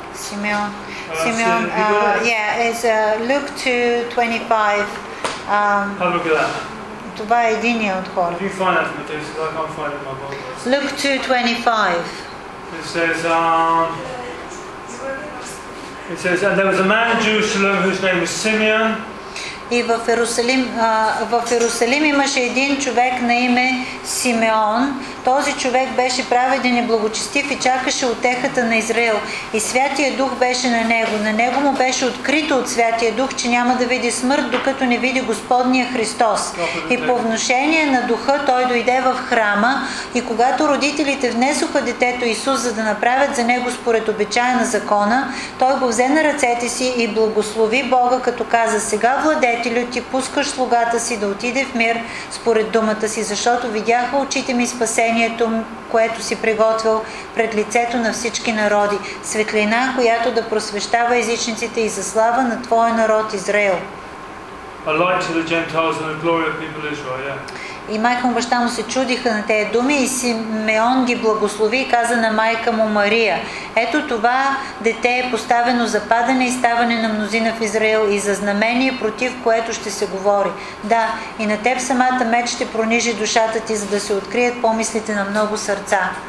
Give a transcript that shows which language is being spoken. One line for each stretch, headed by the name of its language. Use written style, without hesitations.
English: Simeon. It's Luke 2:25. Have a look at that.
Bulgarian: Това е единия от хората.
English: If you find that in the text, I can't find it in my Bible. Luke 2:25. It says, and there was a man in Jerusalem whose name was Simeon.
Bulgarian: И в Йерусалим, имаше един човек на име Симеон. Този човек беше праведен и благочестив и чакаше утехата на Израил. И Святия Дух беше на него. На него му беше открито от Святия Дух, че няма да види смърт, докато не види Господния Христос. И по внушение на Духа той дойде в храма и когато родителите внесоха детето Исус, за да направят за него според обичая на закона, той го взе на ръцете си и благослови Бога, като каза: сега владетелю, ти пускаш слугата си да отиде в мир според думата си, защото видяха очите ми спасение, което си приготвил пред лицето на всички народи. Светлина, която да просвещава езичниците и за слава на твоя народ Израил.
English: A light to the Gentiles and the glory of people Israel, yeah.
Bulgarian: И майка му баща му се чудиха на тези думи и Симеон ги благослови и каза на майка му Мария: ето това дете е поставено за падане и ставане на мнозина в Израил и за знамение, против което ще се говори. Да, и на теб самата меч ще пронижи душата ти, за да се открият помислите на много сърца.